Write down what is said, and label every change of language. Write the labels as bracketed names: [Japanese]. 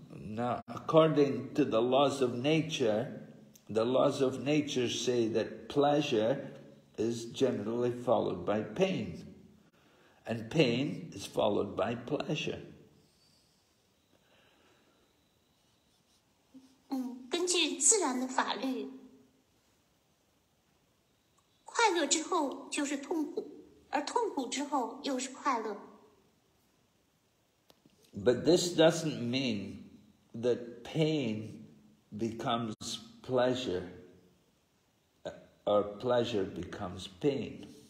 [English] Now, according to the laws of nature, say that pleasure is generally followed by pain, and pain is followed by pleasure. [Chinese] 根据自然的法律，快乐之后就是痛苦，而痛苦之后又是快乐。 [English] But this doesn't mean that pain becomes pleasure, or pleasure becomes pain.